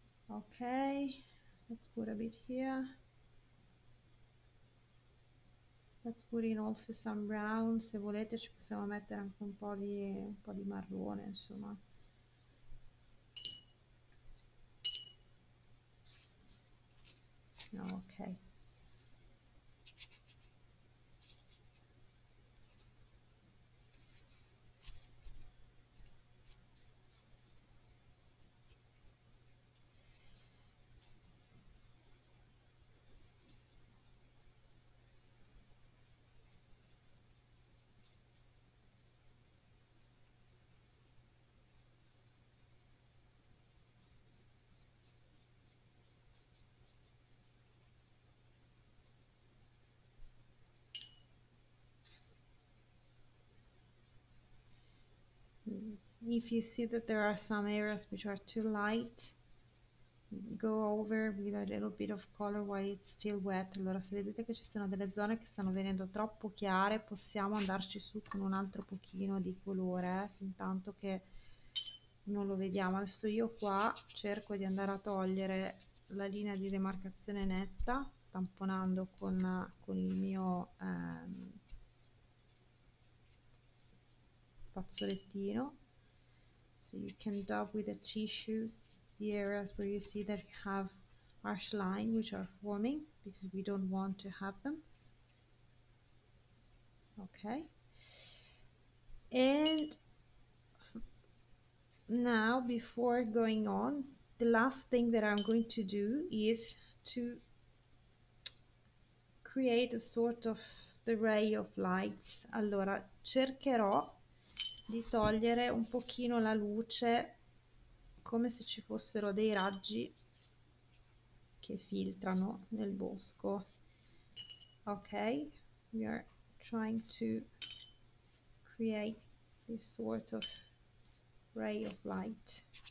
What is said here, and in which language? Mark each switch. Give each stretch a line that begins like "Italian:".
English: Okay, let's put a bit here. Let's put in also some brown.
Italian: Se volete ci possiamo mettere anche un po' di marrone, insomma.
English: Ok. If you see that there are some areas which are too light, go over with a little bit of color while it's still wet.
Italian: Allora, se vedete che ci sono delle zone che stanno venendo troppo chiare, possiamo andarci su con un altro pochino di colore, intanto che non lo vediamo. Adesso io qua cerco di andare a togliere la linea di demarcazione netta, tamponando con il mio fazzolettino.
English: So you can dab with a tissue the areas where you see that you have harsh lines which are forming because we don't want to have them. Okay. And now, before going on, the last thing that I'm going to do is to create a sort of the ray of lights.
Italian: Allora, cercherò di togliere un pochino la luce come se ci fossero dei raggi che filtrano nel bosco.
English: Ok, we are trying to create this sort of ray of light.